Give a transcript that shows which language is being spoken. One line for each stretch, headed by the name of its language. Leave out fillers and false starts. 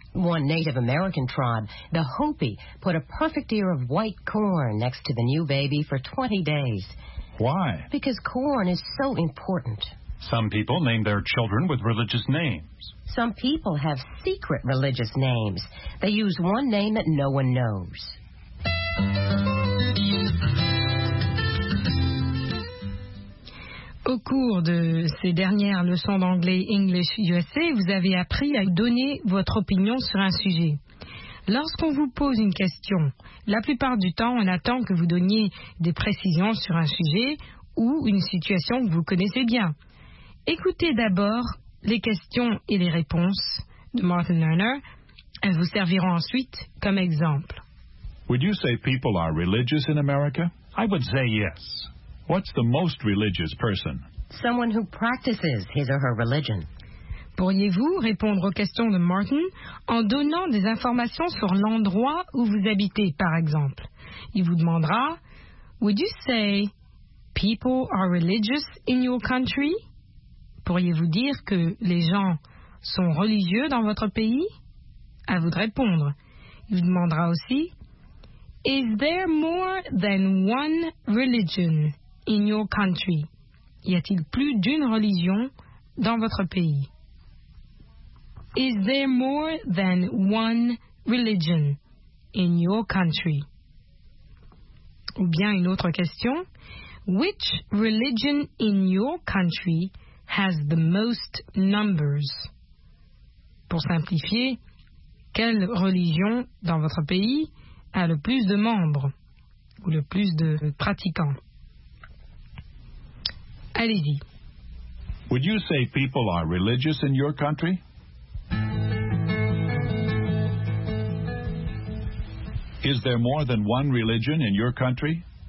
English: One Native American tribe, the Hopi, put a perfect ear of white corn next to the new baby for 20 days. Why? Because corn is so important. Some people name their children with religious names. Some people have secret religious names. They use one name that no one knows.
French: Au cours de ces dernières leçons d'anglais English USA, vous avez appris à donner votre opinion sur un sujet. Lorsqu'on vous pose une question, la plupart du temps, on attend que vous donniez des précisions sur un sujet ou une situation que vous connaissez bien. Écoutez d'abord les questions et les réponses de Martin Lerner. Elles vous serviront ensuite comme exemple.
English: Would you say people are religious in America? I would say yes. What's the most religious person? Someone who practices his or her religion.
French: Pourriez-vous répondre aux questions de Martin en donnant des informations sur l'endroit où vous habitez, par exemple? Il vous demandera,
English: would you say people are religious in your country?
French: Pourriez-vous dire que les gens sont religieux dans votre pays? À vous de répondre. Il vous demandera aussi,
English: is there more than one religion in your country?
French: Y a-t-il plus d'une religion dans votre pays?
English: Is there more than one religion in your country?
French: Ou bien une autre question.
English: Which religion in your country has the most numbers?
French: Pour simplifier, quelle religion dans votre pays a le plus de membres ou le plus de pratiquants? Allez-y.
English: Would you say people are religious in your country? Is there more than one religion in your country?